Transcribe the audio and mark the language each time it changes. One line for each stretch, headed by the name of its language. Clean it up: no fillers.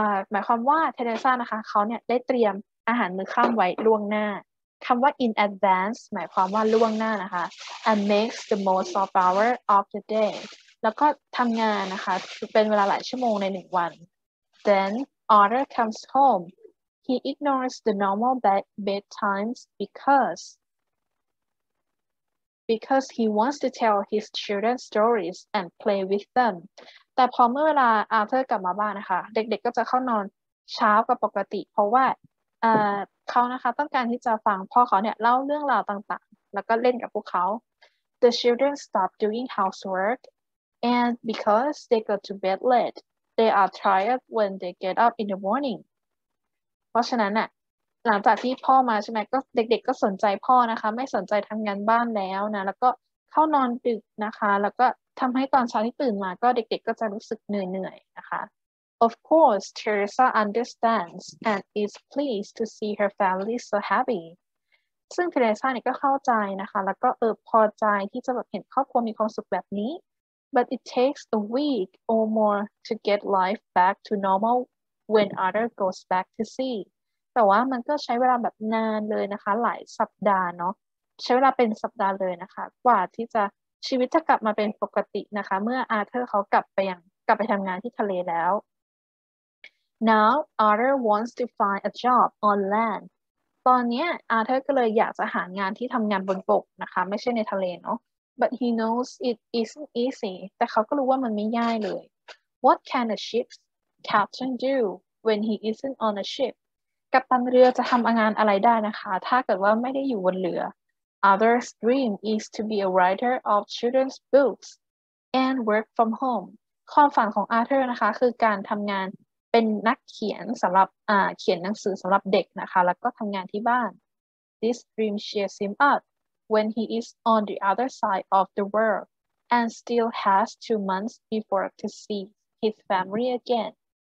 Thai: หมายความว่า Teresa นะคะเขาเนี่ยได้เตรียมอาหารมื้อค่ำไว้ล่วงหน้าคำว่า in advance หมายความว่าล่วงหน้านะคะ
English: and makes the most of hour of the day
Thai: แล้วก็ทำงานนะคะเป็นเวลาหลายชั่วโมงใน1 วัน
English: Then Otter comes home. He ignores the normal bedtimes because he wants to tell his children stories and play with them.
Thai: แต่พอเมื่อเวลา Otter กลับมาบ้านนะคะเด็กๆก็จะเข้านอนเช้ากว่าปกติเพราะว่าเขานะคะต้องการที่จะฟังพ่อเขาเนี่ยเล่าเรื่องราวต่างๆแล้วก็เล่นกับพวกเขา
English: The children stop doing housework and because they go to bed late. They are tired when they get up in the morning.
Thai: เพราะฉะนั้นน่ะหลังจากที่พ่อมาใช่ไหมก็เด็กๆก็สนใจพ่อนะคะไม่สนใจทำงานบ้านแล้วนะแล้วก็เข้านอนดึกนะคะแล้วก็ทำให้ตอนเช้าที่ตื่นมาก็เด็กๆ ก็จะรู้สึกเหนื่อยๆนะคะ
English: Of course, Teresa understands and is pleased to see her family so happy.
Thai: ซึ่ง Teresa เนี่ยก็เข้าใจนะคะแล้วก็พอใจที่จะแบบเห็นครอบครัวมีความสุขแบบนี้
English: But it takes a week or more to get life back to normal when Otter goes back to sea.
Thai: แต่ว่ามันก็ใช้เวลาแบบนานเลยนะคะหลายสัปดาห์เนาะใช้เวลาเป็นสัปดาห์เลยนะคะกว่าที่จะชีวิตจะกลับมาเป็นปกตินะคะเมื่ออาเธอร์เขากลับไปทำงานที่ทะเลแล้ว
English: Now Otter wants to find a job on land.
Thai: ตอนนี้อาเธอร์ก็เลยอยากจะหางานที่ทำงานบนบกนะคะไม่ใช่ในทะเลเนาะ
English: But he knows it isn't easy.
Thai: แต่เขาก็รู้ว่ามันไม่ง่ายเลย.
English: What can a ship's captain do when he isn't on a ship?
Thai: กัปตันเรือจะทำงานอะไรได้นะคะถ้าเกิดว่าไม่ได้อยู่บนเรือ
English: Other's dream is to be a writer of children's books and work from home.
Thai: ความฝันของอาเธอร์นะคะคือการทำงานเป็นนักเขียนสำหรับเขียนหนังสือสำหรับเด็กนะคะแล้วก็ทำงานที่บ้าน
English: This dream cheers him upWhen he is on the other side of the world and still has 2 months before to see his family again.